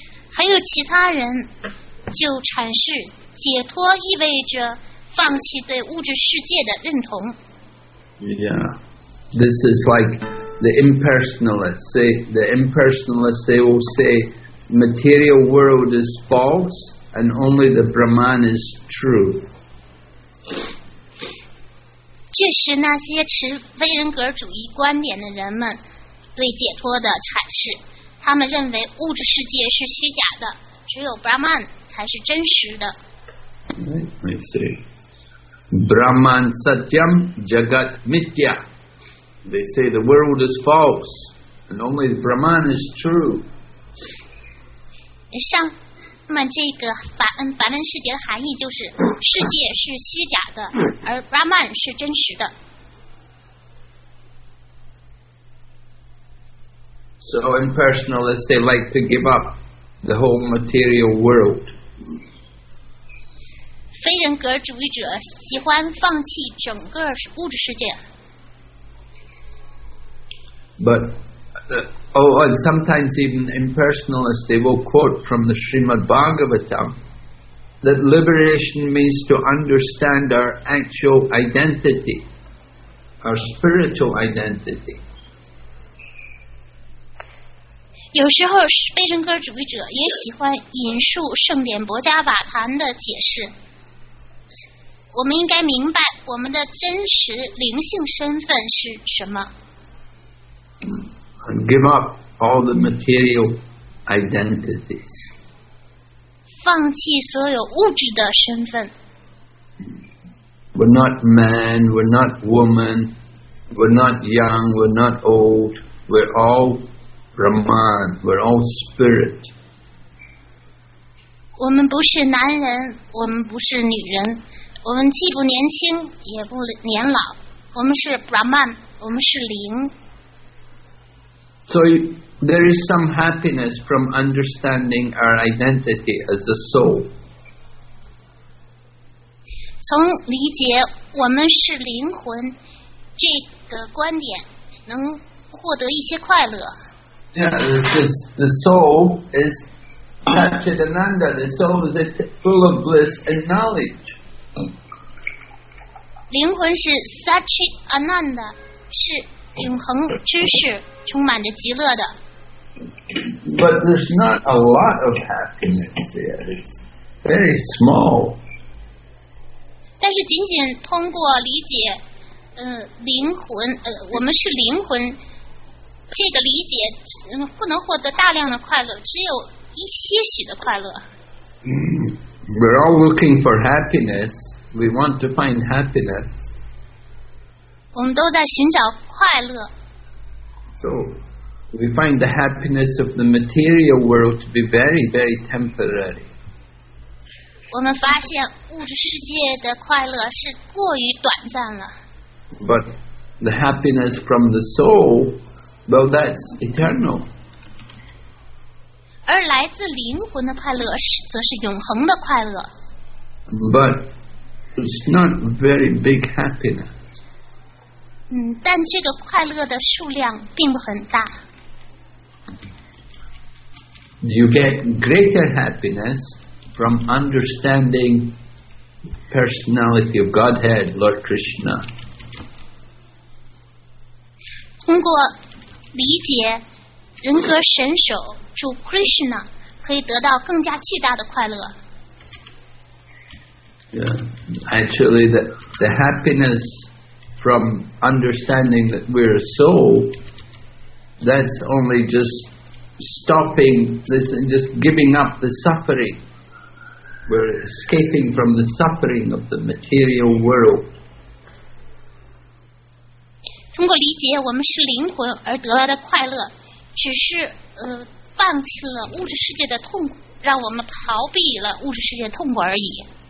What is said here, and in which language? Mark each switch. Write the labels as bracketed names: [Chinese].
[Chinese] 还有其他人就阐释解脱意味着放弃对物质世界的认同。 [English] Yeah, this is like the impersonalists. Say the impersonalists, they will say material world is false and only the Brahman is true. [Chinese] 这是那些持非人格主义观点的人们对解脱的阐释。他们认为物质世界是虚假的，只有 Brahman才是真实的。 [English] Right, I see. [Sanskrit] Brahman satyam jagat mitya. [English] They say the world is false, and only Brahman is true. [Chinese] 上面这个梵文世界的含义就是世界是虚假的，而 Brahman 是真实的。 [English] So impersonalists, they like to give up the whole material world. [Chinese] 非人格主义者喜欢放弃整个物质世界。 [English] But, and sometimes even impersonalists, they will quote from the Srimad Bhagavatam that liberation means to understand our actual identity, our spiritual identity. [Chinese] 有时候非人格主义者也喜欢引述圣典薄伽瓦坛的解释，我们应该明白我们的真实灵性身份是什么。 [English] And give up all the material identities. [Chinese] 放弃所有物质的身份。 [English] We're not man, we're not woman, we're not young, we're not old, we're all Brahman, we're all spirit. [Chinese] 我们不是男人，我们不是女人，我们既不年轻，也不年老，我们是 Brahman, 我们是灵。 [English] So there is some happiness from understanding our identity as a soul. [Chinese] 从理解我们是灵魂这个观点，能获得一些快乐。 [English] Yeah, the soul is Satchidananda. The soul is full of bliss and knowledge. [Chinese] 灵魂是 Satchidananda, 是永恒知识。充满着极乐的。 [English] But there's not a lot of happiness there. It's very small. [Chinese] 但是仅仅通过理解，灵魂，我们是灵魂，这个理解，不能获得大量的快乐，只有一些许的快乐。 [English] We're all looking for happiness. We want to find happiness. [Chinese] 我们都在寻找快乐。 [English] So, we find the happiness of the material world to be very, very temporary. [Chinese] 我们发现物质世界的快乐是过于短暂了。 [English] But the happiness from the soul, well, that's eternal. [Chinese] 而来自灵魂的快乐则是永恒的快乐。 [English] But it's not very big happiness. [Chinese] 但这个快乐的数量并不很大。 [English] You get greater happiness from understanding personality of Godhead, Lord Krishna. [Chinese] 通过理解人格神首主 Krishna， 可以得到更加巨大的快乐。 [English] Yeah, actually, the happiness. From understanding that we're a soul, that's only just stopping this and just giving up the suffering. were escaping from the suffering of the material world. [Chinese] 通过理解，我们是灵魂而得来的快乐，只是放弃了物质世界的痛苦，让我们逃避了物质世界的痛苦而已。